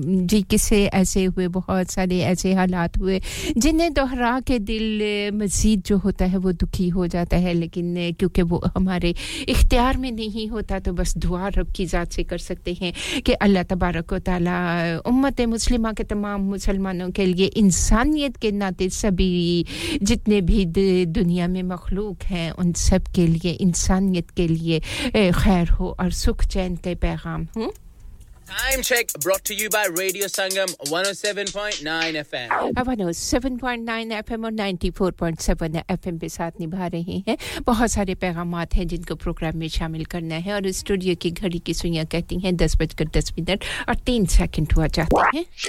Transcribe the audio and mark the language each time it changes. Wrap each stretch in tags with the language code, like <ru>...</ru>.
<hi>जी किस्से ऐसे हुए बहुत सारे ऐसे हालात हुए जिन्हें दोहरा के दिल मजीद जो होता है वो दुखी हो जाता है लेकिन क्योंकि वो हमारे इख्तियार में नहीं होता तो बस दुआ रब की जात से कर सकते हैं कि अल्लाह तबारक व तआला उम्मत मुस्लिमा के तमाम मुसलमानों के लिए इंसानियत के नाते सभी जितने भी दुनिया में मखलूक हैं उन सब के लिए इंसानियत के लिए खैर हो और सुख चैन के पैगाम हो</hi> <en>Time check brought to you by Radio Sangam 107.9 FM.</en> <hi>107.9 FM और 94.7 FM पे साथ निभा रहे हैं बहुत सारे पैगामात हैं जिनको प्रोग्राम में शामिल करना है और स्टूडियो की घड़ी की सुइयां कहती हैं 10:10 और 3 सेकंड हुआ जाते हैं</hi>